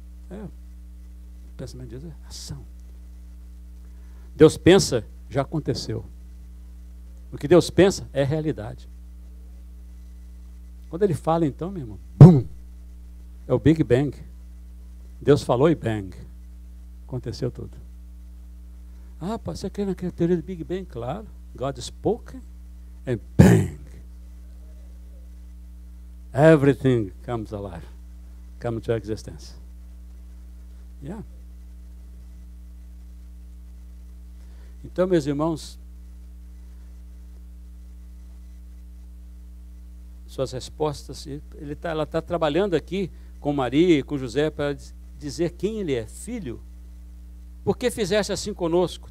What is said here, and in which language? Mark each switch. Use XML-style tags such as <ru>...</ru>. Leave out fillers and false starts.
<pt>É, o pensamento de Deus é ação. Deus pensa, já aconteceu. O que Deus pensa é realidade. Quando ele fala, então, meu irmão, bum, é o Big Bang. Deus falou e bang, aconteceu tudo. Ah, você crê naquela teoria do Big Bang?</pt> <en>Claro, God spoke and bang, everything comes alive, comes to existence. Yeah.</en> <pt>Então, meus irmãos, suas respostas, ela está trabalhando aqui com Maria e com José para dizer quem ele é. Filho, por que fizeste assim conosco?</pt>